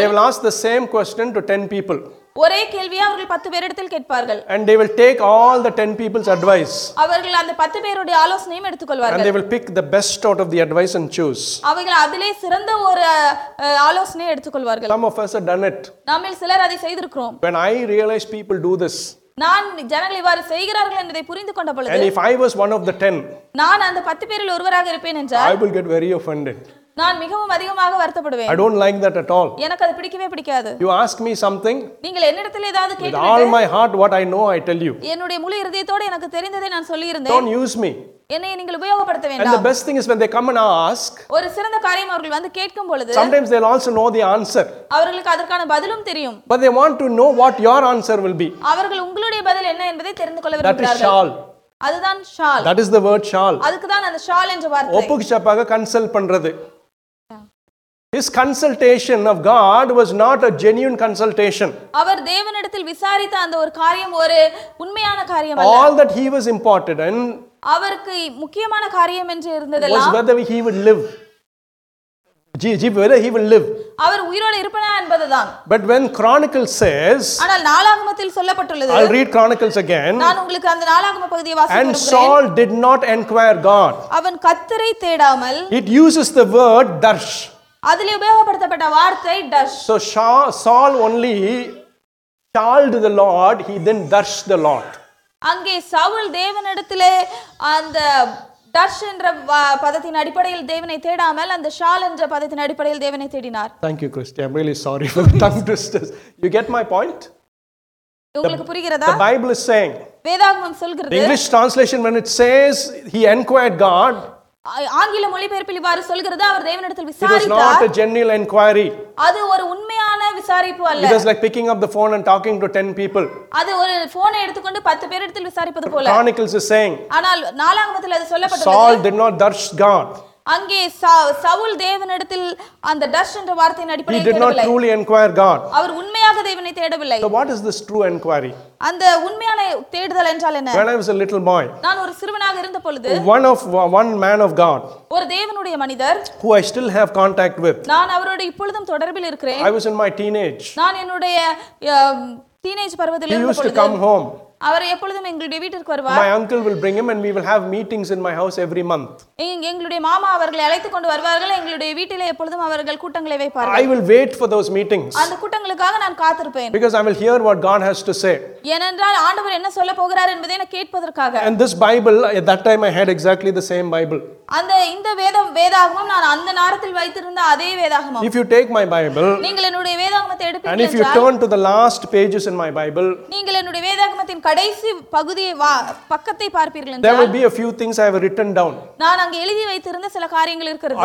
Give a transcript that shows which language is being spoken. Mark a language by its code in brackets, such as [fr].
[en] They will ask the same question to 10 people. [ta] ஒரே கேள்வியை அவர்கள் 10 பேரிடத்தில் கேட்பார்கள். [en] And they will take all the 10 people's advice. [ta] அவர்கள் அந்த 10 பேருடைய ஆலோசனையும் எடுத்துக்கொள்வார்கள். [en] And they will pick the best out of the advice and choose. [ta] அவர்கள் அதிலே சிறந்த ஒரு ஆலோசனையை எடுத்துக்கொள்வார்கள். [en] Some of us have done it. [ta] நாமில் சிலர் அதை செய்திருக்கிறோம். [en] When I realize people do this. [ta] நான் ஜனங்கள் இவ்வாறு செய்கிறார்கள் என்பதை புரிந்து கொண்ட பொழுது. [en] And if I was one of the 10. [ta] நான் அந்த 10 பேரில் ஒருவராக இருப்பேன் என்றால். [en] I will get very offended. [ta] நான் மிகவும் அதிகமாக வருத்தப்படுவேன். [en] I don't like that at all. [ta] எனக்கு அது பிடிக்கவே பிடிக்காது. [en] You ask me something. [ta] நீங்கள் என்னிடத்தில் ஏதாவது கேட்டால். [en] All my heart what I know I tell you. [ta] என்னுடைய முழு இதயத்தோடு எனக்கு தெரிந்ததை நான் சொல்லியிருந்தேன். [en] Don't use me. [ta] என்னை நீங்கள் உபயோகப்படுத்த வேண்டாம். [en] And the best thing is when they come and ask. [ta] ஒரு சிறந்த காரியம் அவர்கள் வந்து கேட்கும் பொழுது. [en] Sometimes they'll also know the answer. [ta] அவர்களுக்கு அதற்கான பதிலும் தெரியும். [en] But they want to know what your answer will be. [ta] அவர்கள் உங்களுடைய பதில் என்ன என்பதை தெரிந்து கொள்ள விரும்புகிறார்கள். [en] That is shawl. [ta] அதுதான் shawl. [en] That is the word shawl. [ta] அதுக்கு தான் அந்த shawl என்ற வார்த்தை. ஒப்புக்சப்பாக கன்சல்ட் பண்றது. [en] His consultation of God was not a genuine consultation. [ta] அவர் தேவனிடத்தில் விசாரித்த அந்த ஒரு காரியம் ஒரு உண்மையான காரியம் அல்ல. [en] All that he was important in [ta] அவருக்கு முக்கியமான காரியம் என்று இருந்ததெல்லாம் [en] was whether he would live. Whether he will live. [ta] அவர் உயிரோடு இருப்பானா என்பதுதான். [en] But when Chronicles says [ta] ஆனால் நாளாகமத்தில் சொல்லப்பட்டுள்ளது. [en] I'll read Chronicles again. [ta] நான் உங்களுக்கு அந்த நாளாகம பகுதியை வாசிக்க அனுமதிக்கிறேன். [en] And Saul did not inquire God. [ta] அவன் கர்த்தரை தேடாமல் [en] It uses the word darsh. [ta] அதிலே உபயோகப்படுத்தப்பட்ட வார்த்தை darsh. [en] So Saul only called the Lord, he then darsh the Lord. [ta] அங்கே சவுல் தேவனிடத்திலே அந்த டர்ஷ் என்ற பதத்தின் அடிப்படையில் தேவனை தேடாமல் அந்த ஷால் என்ற பதத்தின் அடிப்படையில் தேவனை தேடினார். [en] Thank you Christy, I'm really sorry for the tongue twisters. You get my point? [ta] உங்களுக்கு புரிகிறதா? [en] The Bible is saying. [ta] வேதாகமம் சொல்கிறது. [en] The English translation when it says he inquired God. [ta] ஆங்கில மொழிபெயர்ப்பில் இவ்வாறு சொல்கிறது அவர் தேவனிடத்தில் விசாரித்தார். [en] It was not a genuine inquiry. [ta] அது ஒரு உண்மையான விசாரிப்பு அல்ல. [en] It was like picking up the phone and talking to 10 people. [ta] அது ஒரு போனை எடுத்துக்கொண்டு 10 பேரிடத்தில் விசாரிப்பது போல. [en] Chronicles is saying. [ta] ஆனால் நாலாவதுல அது சொல்லப்பட்டது. [en] Saul did not darsh God. [ta] அங்கே சவுல் தேவனிடத்தில் அந்த டர்ஷ் என்ற வார்த்தையின் அடிப்படையில் தேடவில்லை. [en] He did not truly inquire God. [ta] அவர் உண்மையாக தேவனை தேடவில்லை. [en] So what is this true inquiry? [ta] அந்த உண்மையான தேடுதல் என்றால் என்ன? [en] When I was a little boy. [ta] நான் ஒரு சிறுவனாக இருந்தபொழுது. [en] One man of God. [ta] ஒரு தேவனுடைய மனிதர். [en] Who I still have contact with. [ta] நான் அவரோடு இப்பொழுதும் தொடர்பில் இருக்கிறேன். [en] I was in my teenage. [ta] நான் என்னுடைய டீனேஜ் பருவத்தில் இருந்தபொழுது. [en] He used to come home. [ta] அவர் எப்பொழுதும் எங்களுடைய வீட்டிற்கு வருவார். [en] My uncle will bring him and we will have meetings in my house every month. [ta] எங்களுடைய மாமா அவர்களை அழைத்து கொண்டு வருவார்கள். எங்களுடைய வீட்டிலே எப்பொழுதும் அவர்கள் கூட்டங்களை வைப்பார்கள். [en] I will wait for those meetings. [ta] அந்த கூட்டங்களுக்காக நான் காத்திருப்பேன். [en] Because I will hear what God has to say. [ta] ஏனென்றால் ஆண்டவர் என்ன சொல்ல போகிறார் என்பதை நான் கேட்பதற்காக. [en] And this Bible, at that time I had exactly the same Bible. [ta] அந்த இந்த வேதாகமம் நான் அந்த நேரத்தில் வைத்திருந்த அதே வேதாகமம். [en] If you take my Bible, [ta] நீங்கள் என்னுடைய வேதாகமத்தை எடுப்பீர்கள் [en] and if you turn to the last pages in my Bible, [ta] நீங்கள் என்னுடைய வேதாகமத்தின் கடைசி பகுதியை பக்கத்தை பார்ப்பீர்கள் என்றால், [en] there will be a few things I have written down. [ta] நான் அங்கு எழுதி வைத்திருந்த சில காரியங்கள் இருக்கிறது.